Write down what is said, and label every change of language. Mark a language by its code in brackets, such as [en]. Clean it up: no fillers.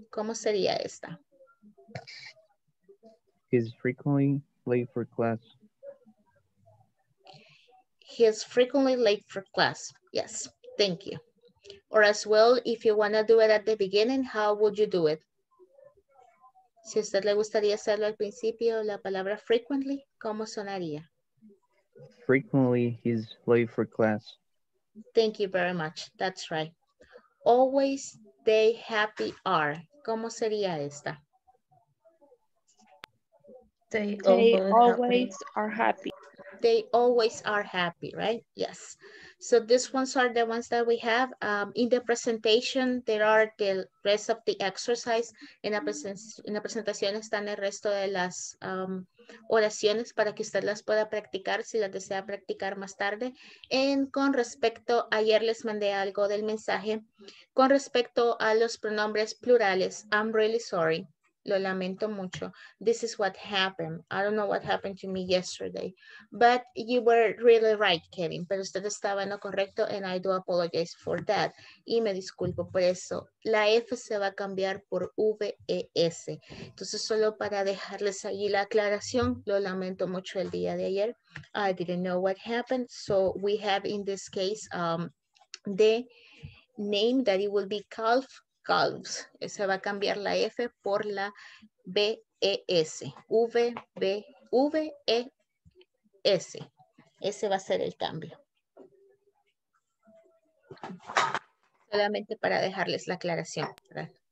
[es] ¿Cómo sería esta? [en] He's frequently late for class. He is frequently late for class, yes, thank you. Or as well, if you want to do it at the beginning, how would you do it? [es] Si a usted le gustaría hacerlo al principio, la palabra frequently, ¿cómo sonaría? [en] Frequently, he's late for class. Thank you very much. That's right. Always they happy are. [es] ¿Cómo sería esta? [en] They always are happy. They always are happy, right? Yes. So these ones are the ones that we have. In the presentation, there are the rest of the exercise. [es] En la presentación están el resto de las oraciones para que usted las pueda practicar si las desea practicar más tarde. And con respecto, ayer les mandé algo del mensaje. Con respecto a los pronombres plurales, [en] I'm really sorry. [es] Lo lamento mucho. [en] This is what happened. I don't know what happened to me yesterday. But you were really right, Kevin. [es] Pero usted estaba en lo correcto [en] and I do apologize for that. [es] Y me disculpo por eso. La F se va a cambiar por VES. Entonces, solo para dejarles ahí la aclaración, lo lamento mucho el día de ayer. [en] I didn't know what happened. So we have in this case the name that it will be Calf. [es] Calves, se va a cambiar la F por la B-E-S, V-V-V-E-S, ese va a ser el cambio. Solamente para dejarles la aclaración, ¿verdad?